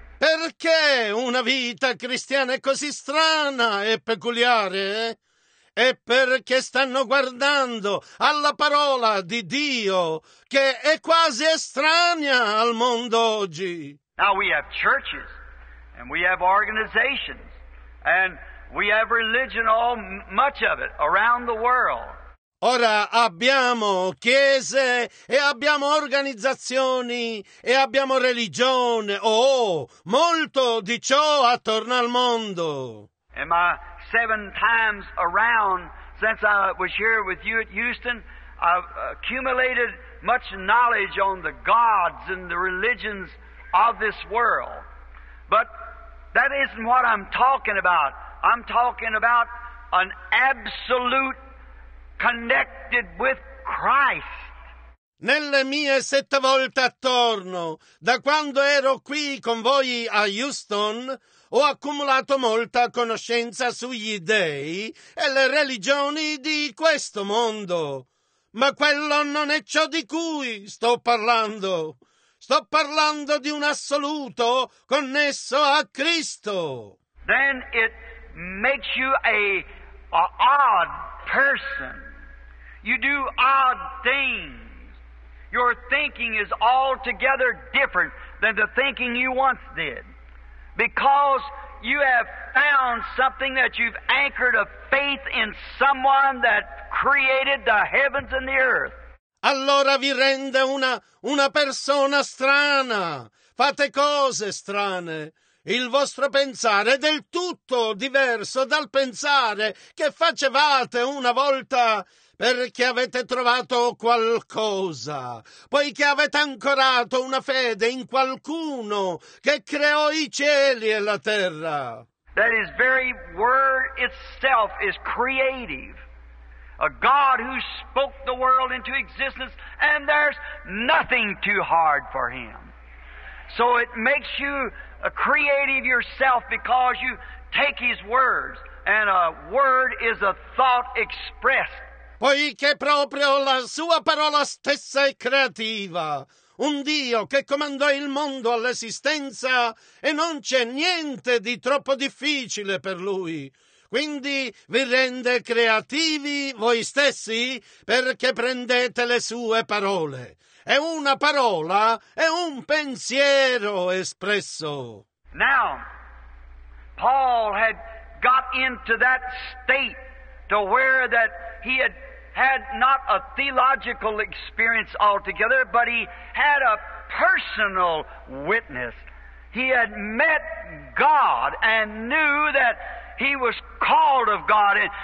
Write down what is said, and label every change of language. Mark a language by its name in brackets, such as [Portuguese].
[Italian] Perché una vita cristiana è così strana e peculiare? È perché stanno guardando alla parola di Dio che è quasi estranea al mondo oggi. [English] Now we have churches and we have organizations and we have religion, all much of it around the world. [Italian] Ora abbiamo chiese e abbiamo organizzazioni e abbiamo religione, oh, molto di ciò attorno al mondo. [English] In my seven times around since I was here with you at Houston, I've accumulated much knowledge on the gods and the religions of this world. But that isn't what I'm talking about. I'm talking about an absolute connected with Christ. [Italian] Nelle mie sette volte attorno, da quando ero qui con voi a Houston, ho accumulato molta conoscenza sugli dèi e le religioni di questo mondo. Ma quello non è ciò di cui sto parlando. Sto parlando di un assoluto connesso a Cristo. [English] Then it makes you a odd person. You do odd things. Your thinking is altogether different than the thinking you once did. Because you have found something that you've anchored a faith in someone that created the heavens and the earth. [Italian] Allora vi rende una persona strana. Fate cose strane. Il vostro pensare è del tutto diverso dal pensare che facevate una volta, perché avete trovato qualcosa, poiché avete ancorato una fede in qualcuno che creò i cieli e la terra. [English] That his very word itself is creative. A God who spoke the world into existence, and there's nothing too hard for him. So it makes you a creative yourself because you take his words, and a word is a thought expressed. [Italian] Poiché proprio la sua parola stessa è creativa. Un Dio che comandò il mondo all'esistenza e non c'è niente di troppo difficile per lui. Quindi vi rende creativi voi stessi perché prendete le sue parole. È una parola, è un pensiero espresso. [English] Now, Paul had got into that state to where that he had had not a theological experience altogether, but he had a personal witness. He had met God and knew that he was called of God.